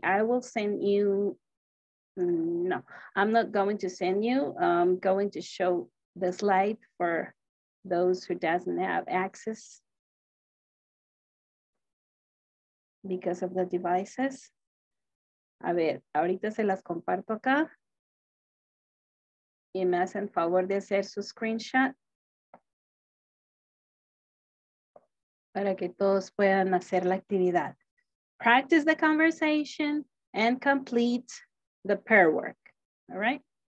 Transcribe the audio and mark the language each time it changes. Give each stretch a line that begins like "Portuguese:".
English: I will send you, no, I'm not going to send you. I'm going to show the slide for those who doesn't have access because of the devices.
Spanish: A ver, ahorita se las comparto acá. Y me hacen favor de hacer su screenshot para que todos puedan hacer la actividad.
English: Practice the conversation and complete the pair work, all right?